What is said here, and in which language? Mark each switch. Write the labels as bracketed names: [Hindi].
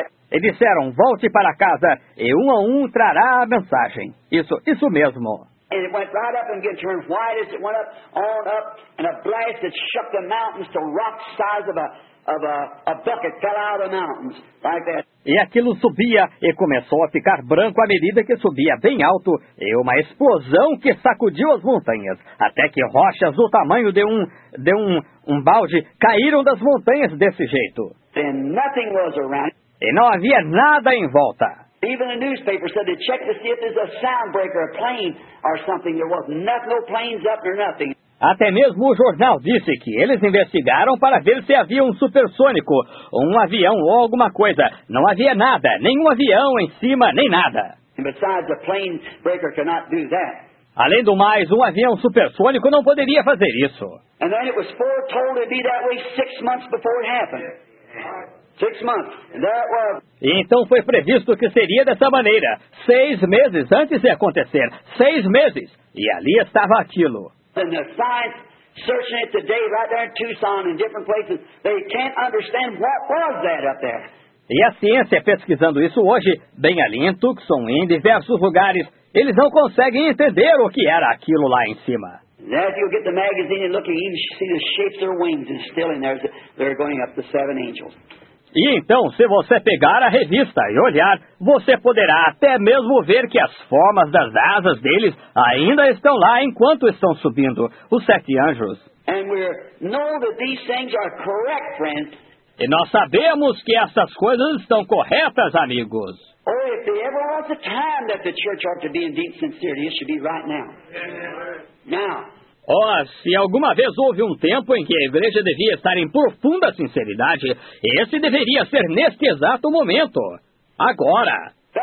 [Portuguese] E disseram, volte para casa e um a um trará a mensagem. Isso, isso mesmo. [English] And it went right up and again turned white as it went up, on up, and a blast that shook the mountains to rock size of a bucket fell out of the mountains, like that. [Portuguese] E aquilo subia e começou a ficar branco à medida que subia bem alto, e uma explosão que sacudiu as montanhas, até que rochas do tamanho de um balde caíram das montanhas desse jeito. [English] Then nothing was around. [Portuguese] E não havia nada em volta. [English] Even the newspaper said to check to see if there's a sound breaker, a plane or something. There was nothing, no planes up or nothing. [Portuguese] Até mesmo o jornal disse que eles investigaram para ver se havia um supersônico, um avião ou alguma coisa. Não havia nada, nenhum avião em cima, nem nada. [English] And besides, a plane breaker cannot do that. [Portuguese] Além do mais, um avião supersônico não poderia fazer isso. [English] And then it was foretold to be that way 6 months before it happened. Six months. And there it was. [Portuguese] E então foi previsto que seria dessa maneira, 6 meses antes de acontecer, 6 meses, e ali estava aquilo. [English] And the science searching it today, right there in Tucson, in different places, they can't understand what was that up there. [Portuguese] E a ciência pesquisando isso hoje, bem ali em Tucson, em diversos lugares, eles não conseguem entender o que era aquilo lá em cima. [English] If you get the magazine and look, you even see the shapes of their wings and still in there, they're going up the 7 angels. [Portuguese] E então, se você pegar a revista e olhar, você poderá até mesmo ver que as formas das asas deles ainda estão lá enquanto estão subindo, os 7 anjos. [English] And we know that these things are correct, friends. [Portuguese] E nós sabemos que essas coisas estão corretas, amigos. [English] Oh, if there ever was a time that the church ought to be in deep sincerity, it should be right now. Now. [Portuguese] Oh, se alguma vez houve um tempo em que a igreja devia estar em profunda sinceridade, esse deveria ser neste exato momento. Agora.